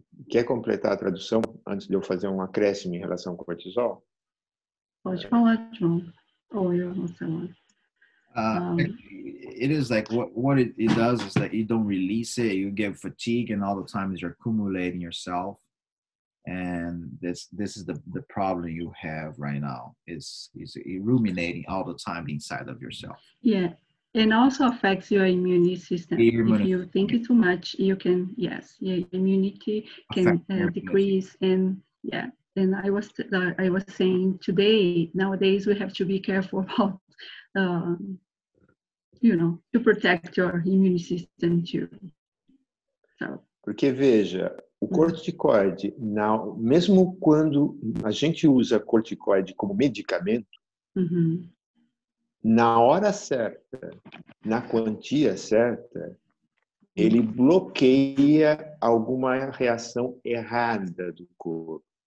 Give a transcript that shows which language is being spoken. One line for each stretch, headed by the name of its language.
Portuguese: Quer completar a tradução antes de eu fazer um acréscimo em relação ao cortisol? Pode falar, John. Ou eu vou falar.
English: It is like what it does is that you don't release it, you get fatigue, and all the time you're accumulating yourself. And this is the problem you have right now. It's ruminating all the time inside of yourself. Yeah, and also affects your immune system. If you think it too much, you can, your immunity can decrease. And and I was saying today, nowadays we have to be careful about, to protect your immune system too. So.
Portuguese: Porque veja, o corticoide, mesmo quando a gente usa corticoide como medicamento, na hora certa, na quantia certa, ele bloqueia alguma reação errada do corpo.